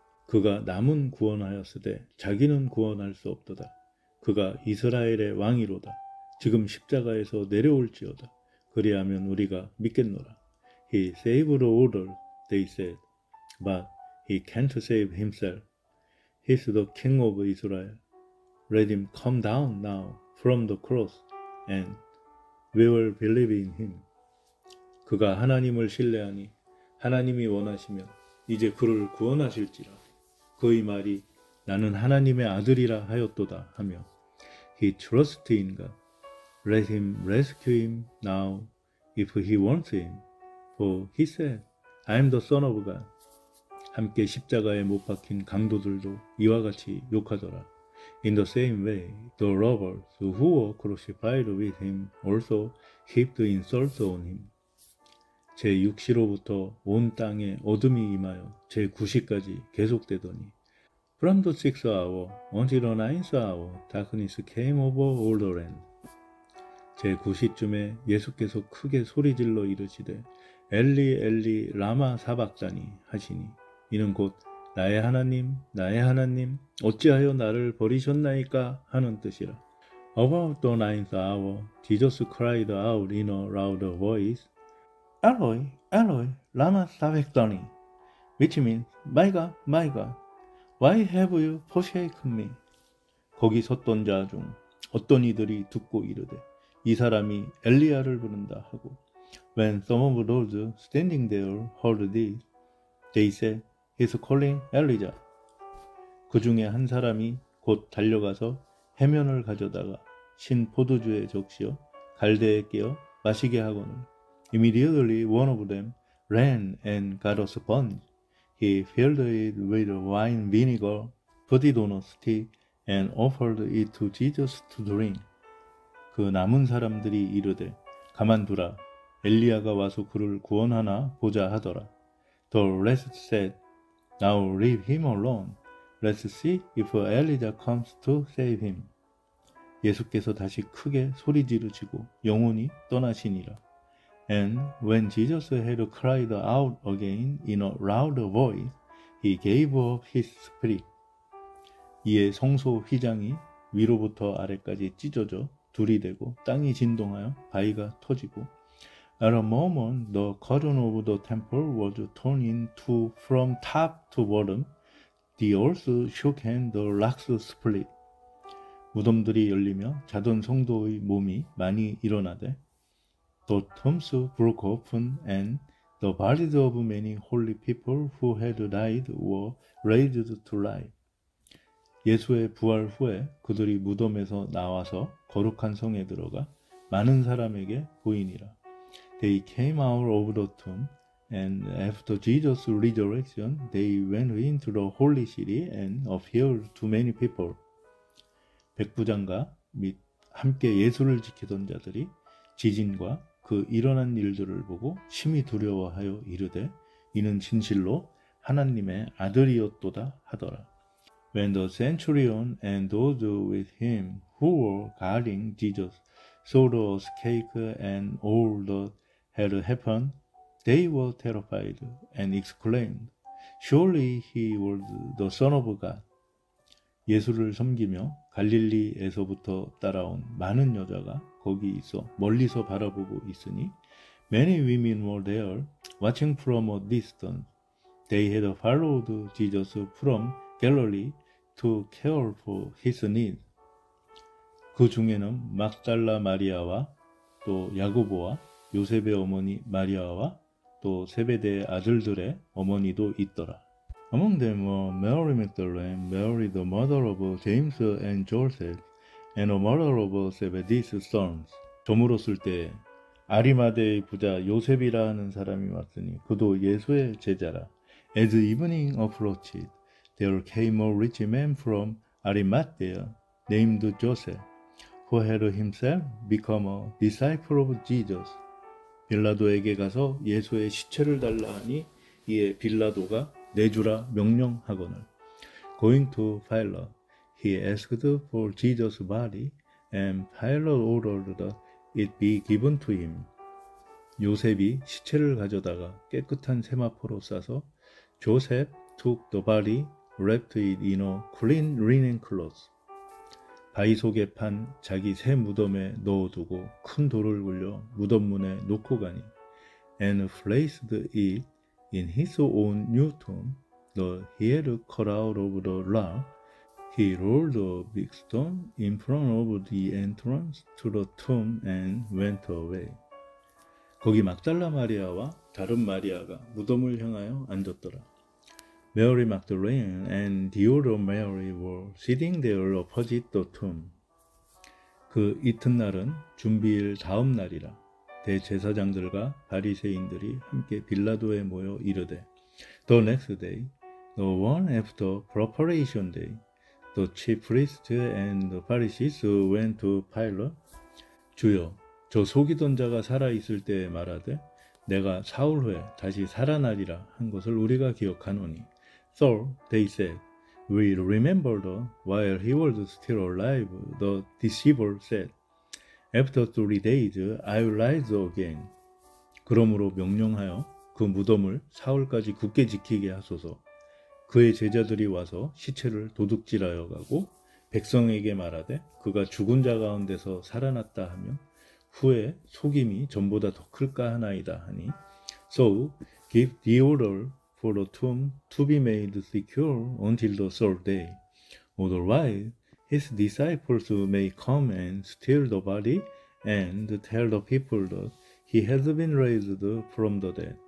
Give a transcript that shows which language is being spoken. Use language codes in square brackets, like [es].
[ko] 그가 남은 구원하였으되 자기는 구원할 수 없도다. 그가 이스라엘의 왕이로다. 지금 십자가에서 내려올지어다. 그리하면 우리가 믿겠노라. [en] He saved the world, they said, but he can't save himself. He's the king of Israel. Let him come down now from the cross, and we will believe in him. [ko] 그가 하나님을 신뢰하니 하나님이 원하시면 이제 그를 구원하실지라. 그의 말이 나는 하나님의 아들이라 하였도다 하며, [en] He trusts in God. Let him rescue him now if he wants him. For he said, I am the Son of God. [ko] 함께 십자가에 못 박힌 강도들도 이와 같이 욕하더라. [en] In the same way, the robbers who were crucified with him also heaped insults on him. [ko] 제 6시로부터 온 땅에 어둠이 임하여 제 9시까지 계속되더니, [en] From the sixth hour until the ninth hour, darkness came over all the land. [ko] 제 9시쯤에 예수께서 크게 소리질러 이르시되, 엘리 엘리 라마 사박다니 하시니, 이는 곧 나의 하나님, 어찌하여 나를 버리셨나이까 하는 뜻이라. [en] About the ninth hour, Jesus cried out in a louder voice, Eloi, Eloi, lama sabachthani, which means, My God, My God, why have you forsaken me? [ko] 거기 섰던 자 중 어떤 이들이 듣고 이르되, 이 사람이 엘리야를 부른다 하고, [en] When some of those standing there heard this, they said, He's calling Elijah. [ko] 그 중에 한 사람이 곧 달려가서 해면을 가져다가 신 포도주에 적시어 갈대에 끼어 마시게 하거늘. [en] Immediately one of them ran and got a sponge. He filled it with wine vinegar, put it on a stick, and offered it to Jesus to drink. [ko] 그 남은 사람들이 이르되, 가만두라, 엘리야가 와서 그를 구원하나 보자 하더라. [en] The rest said, Now leave him alone. Let's see if Elijah comes to save him. [ko] 예수께서 다시 크게 소리 지르시고 영혼이 떠나시니라. [en] And when Jesus had cried out again in a louder voice, he gave up his spirit. [ko] 이에 성소 휘장이 위로부터 아래까지 찢어져 둘이 되고 땅이 진동하여 바위가 터지고, [en] At a moment, the curtain of the temple was torn in two from top to bottom. The earth shook and the rocks split. [ko] 무덤들이 열리며 자던 성도의 몸이 많이 일어나되, [en] The tombs broke open and the bodies of many holy people who had died were raised to life. [ko] 예수의 부활 후에 그들이 무덤에서 나와서 거룩한 성에 들어가 많은 사람에게 보이니라. [en] They came out of the tomb, and after Jesus' resurrection, they went into the holy city and appeared to many people. [ko] 백부장과 및 함께 예수를 지키던 자들이 지진과 그 일어난 일들을 보고 심히 두려워하여 이르되, 이는 진실로 하나님의 아들이었도다 하더라. [en] When the centurion and those with him who were guarding Jesus saw the earthquake and all the had happened, they were terrified and exclaimed, Surely he was the Son of God. [ko] 예수를 섬기며 갈릴리에서부터 따라온 많은 여자가 거기 있어 멀리서 바라보고 있으니 [en] Many women were there, watching from a distance. They had followed Jesus from Galilee to care for his needs. [ko] 그 중에는 막달라 마리아와 또 야고보와 요셉의 어머니 마리아와 또 세베대의 아들들의 어머니도 있더라. [en] Among them were Mary Magdalene, Mary the mother of James and Joseph, and the mother of Zebedee's sons. [ko] 저물었을 때 아리마대의 부자 요셉이라 하는 사람이 왔으니 그도 예수의 제자라. [en] As evening approached, there came a rich man from Arimathea, named Joseph, who had himself become a disciple of Jesus. [ko] 빌라도에게 가서 예수의 시체를 달라 하니 이에 빌라도가 내주라 명령하거늘. [en] Going to Pilate, he asked for Jesus' body, and Pilate ordered that it be given to him. [ko] 요셉이 시체를 가져다가 깨끗한 세마포로 싸서 [en] Joseph took the body, wrapped it in a clean linen cloth. [ko] 바위 속에 판 자기 새 무덤에 넣어두고 큰 돌을 굴려 무덤 문에 놓고 가니 [en] and placed it in his own new tomb, though he had cut out of the rock, he rolled a big stone in front of the entrance to the tomb and went away. [ko] 거기 막달라 마리아와 다른 마리아가 무덤을 향하여 앉았더라. [en] Mary Magdalene and the other Mary were sitting there opposite the tomb. [ko] 그 이튿날은 준비일 다음 날이라. 대제사장들과 바리새인들이 함께 빌라도에 모여 이르되, [en] The next day, the one after preparation day, the chief priests and the Pharisees went to Pilate. [ko] 주여, 저 속이던 자가 살아있을 때에 말하되, 내가 사흘 후에 다시 살아나리라 한 것을 우리가 기억하노니. [en] So they said, We remember that while he was still alive, the deceiver said, After 3 days, I will rise again. [ko] 그러므로 명령하여 그 무덤을 사흘까지 굳게 지키게 하소서. 그의 제자들이 와서 시체를 도둑질하여 가고 백성에게 말하되 그가 죽은 자 가운데서 살아났다 하면 후에 속임이 전보다 더 클까 하나이다 하니. [en] So give the order for the tomb to be made secure until the 3rd day. Otherwise, his disciples may come and steal the body and tell the people that he has been raised from the dead.